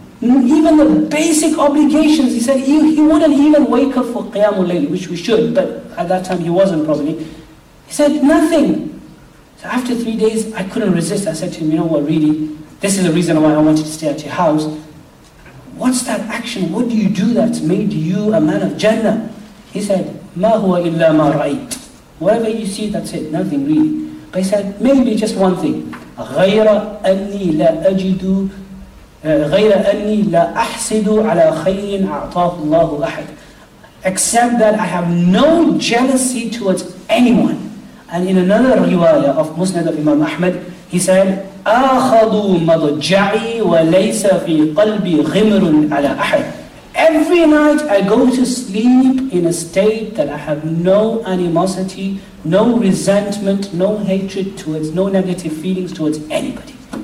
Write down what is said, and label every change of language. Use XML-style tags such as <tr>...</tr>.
<en>Even the basic obligations, he said, he wouldn't even wake up for Qiyamul Layl, which we should, but at that time he wasn't probably. He said, nothing. So after 3 days, I couldn't resist. I said to him, you know what, really, this is the reason why I wanted to stay at your house. What's that action? What do you do that's made you a man of Jannah? He said,</en> <ar>مَا هُوَ إِلَّا مَا رَأَيْتُ.</ar> <en>Whatever you see, that's it, nothing really. But he said, maybe just one thing.</en> <ar>غَيْرَ أَنِّي لَا أَجِدُ غَيْرَ أَنِّي لَا أَحْسِدُ عَلَى خَيْرٍ أَعْطَاهُ اللَّهُ أَحَدٍ.</ar> <en>Except that I have no jealousy towards anyone. And in another riwayah of Musnad of Imam Ahmad, he said,</en> <ar>أَخَذُوا مَضَجَّعِي وَلَيْسَ فِي قَلْبِي غِمْرٌ عَلَى أَحَدٍ.</ar> <en>Every night I go to sleep in a state that I have no animosity, no resentment, no hatred towards, no negative feelings towards anybody.</en>